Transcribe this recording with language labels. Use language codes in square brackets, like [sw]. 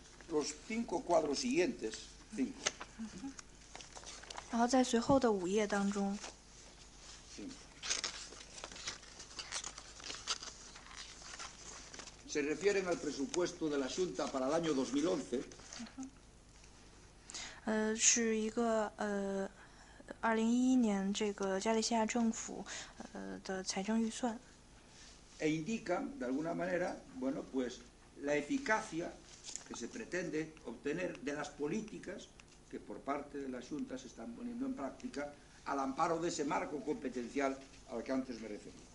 [es] Los cinco cuadros siguientes, cinco. Se refieren al presupuesto de la Junta para el año 2011. [zh] 是一个2011年这个加利西亚政府的财政预算。 [es] E indican, de alguna manera, bueno, pues la eficacia que se pretende obtener de las políticas que por parte de la Junta se están poniendo en práctica al amparo de ese marco competencial al que antes me refería.